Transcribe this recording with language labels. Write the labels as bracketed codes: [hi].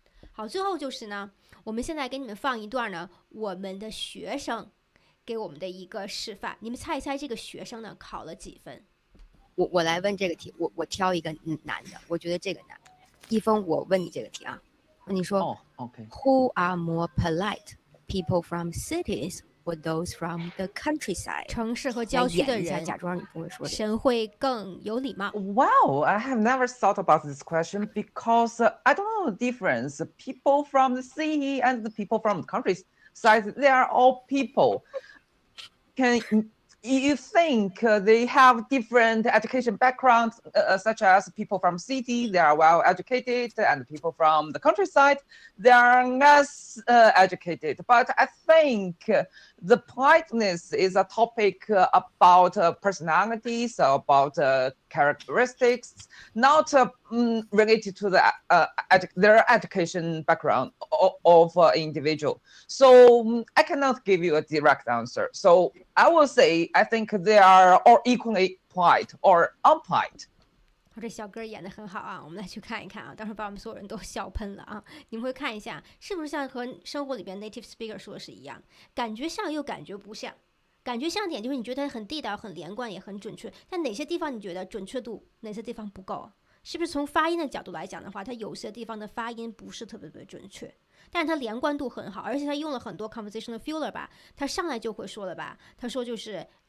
[zh] 好，最后就是呢，我们现在给你们放一段呢我们的学生给我们的一个示范，你们猜一猜这个学生呢考了几分。我来问这个题，我挑一个男的，我觉得这个男，一峰，我问你这个题啊，你说、 [en] oh, okay. ，Who are more polite, people from cities or those from the countryside？ [zh] 城市和郊区的人，假装你不会说，神会更有礼貌。 [en] Wow, I have never thought about this question because、I don't know the difference. People from the city and the people from the countryside, they are all people. Can you think they have different education backgrounds, such as people from city, they are well educated, and people from the countryside, they are less educated. But I think the politeness is a topic about personalities, about characteristics, not related to the, their education background of an individual. So I cannot give you a direct answer. So I will say, I think they are all equally polite or unpolite. [zh] 他这小哥演得很好啊，我们来去看一看啊，到时候把我们所有人都笑喷了啊。你们会看一下是不是像和生活里边 native speaker 说的是一样，感觉像又感觉不像。感觉像点就是你觉得很地道很连贯也很准确，但哪些地方你觉得准确度哪些地方不够，是不是从发音的角度来讲的话，它有些地方的发音不是特别特别准确，但它连贯度很好，而且它用了很多 conversational filler 吧，它上来就会说了吧，它说就是